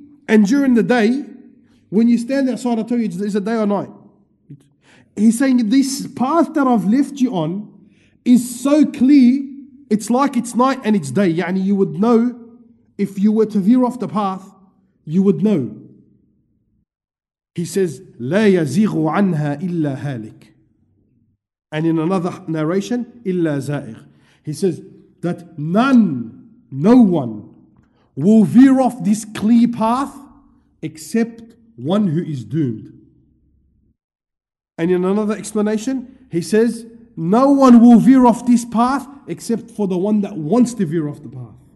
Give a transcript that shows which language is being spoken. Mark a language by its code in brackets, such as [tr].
[en] And during the day, when you stand outside, I tell you, is it day or night? He's saying this path that I've left you on is so clear. It's like it's night and it's day. Yani, you would know, if you were to veer off the path, you would know. [ar] He says, لا يزيغ عنها إلا هالك. [en] And in another narration, [ar] إلا زائغ. [en] He says that no one will veer off this clear path except one who is doomed. And in another explanation, he says, no one will veer off this path except for the one that wants to veer off the path.